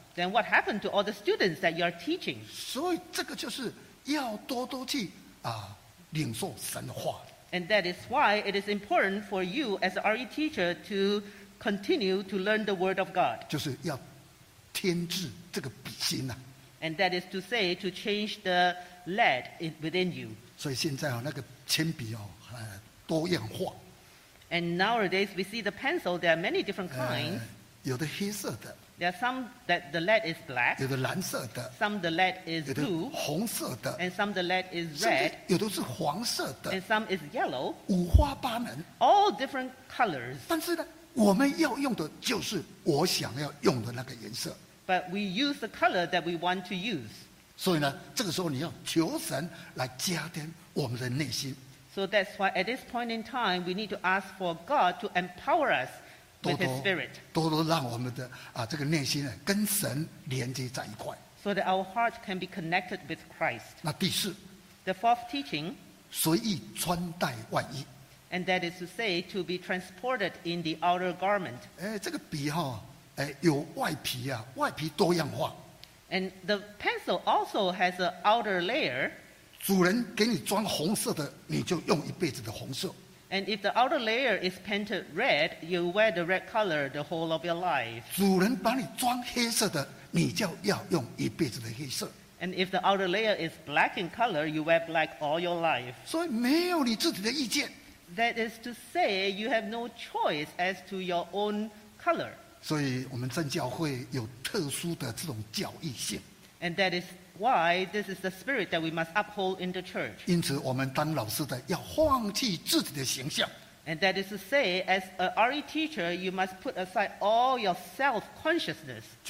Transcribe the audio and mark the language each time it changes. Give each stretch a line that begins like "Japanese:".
English: Then what happened to all the students that you're teaching?
Chinese: 所以这个就是要多多去, 啊, 领受神的话,
English: and that is why it is important for you as an RE teacher to continue to learn the word of God.
Chinese: 就是要添置这个笔心啊,
English: and that is to say to change the lead within you.
Chinese: 所以现在啊, 那个铅笔啊, 多样化,
English: and nowadays we see the pencil, there are many different kinds.
Chinese: 有的黑色的,
English: there are some that the lead is black,
Chinese: 有的蓝色的,
English: some the lead is blue,
Chinese: 有的红色的,
English: and some the lead is red,
Chinese: 有的是黄色的,
English: and some is yellow,
Chinese: 五花八门,
English: all different colors.
Chinese: 但是呢, 我们要用的就是我想要用的那个颜色,
English: but we use the color that we want to use.
Chinese: 所以呢, 这个时候你要求神来加添我们的内心,
English: so that's why at this point in time we need to ask for God to empower us with His Spirit,
Chinese: 多多让我们的, 啊, 这个内心呢, 跟神连接在一块,
English: so that our heart can be connected with Christ.
Chinese: 那第四,
English: the fourth teaching,
Chinese: 随意穿戴外衣,
English: and that is to say to be transported in the outer garment.
Chinese: 诶, 这个笔哦, 诶, 有外皮啊, 外皮多样化,
English: and the pencil also has an outer layer.
Chinese: 主人给你装红色的, 你就用一辈子的红色,
English: And if the outer layer is painted red, you wear the red color the whole of your life.
Chinese: 主人把你装黑色的, 你就要用一辈子的黑色。
English: And if the outer layer is black in color, you wear black all your life.
Chinese: 所以没有你自己的意见。
English: That is to say, you have no choice as to your own color.
Chinese: 所以我们正教会有特殊的这种教义性。
English: And that is why this is the spirit that we must uphold in the church.
Chinese: 因此我们当老师的要放弃自己的形象。
English: And that is to say, as a RE teacher, you must put aside all your self-consciousness.